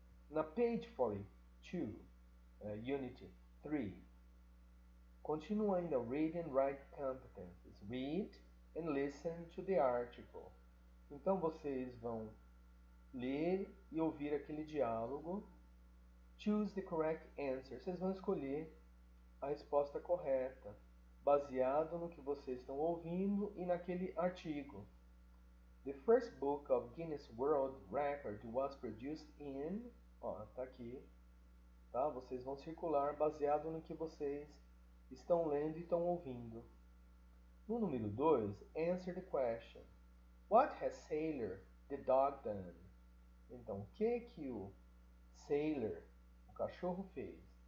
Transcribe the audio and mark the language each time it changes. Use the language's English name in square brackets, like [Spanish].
[English] Na page 42, unit 3, continuing the read and write competences. Read and listen to the article. [Portuguese] Então vocês vão ler e ouvir aquele diálogo. [English] Choose the correct answer. [Portuguese] Vocês vão escolher a resposta correta, baseado no que vocês estão ouvindo e naquele artigo. [English] The first book of Guinness World Record was produced in. [Portuguese] Ó, tá aqui. Tá? Vocês vão circular baseado no que vocês estão lendo e estão ouvindo. No número 2, [English] answer the question. What has Sailor the dog done? [Portuguese] Então, o que o Sailor, o cachorro, fez?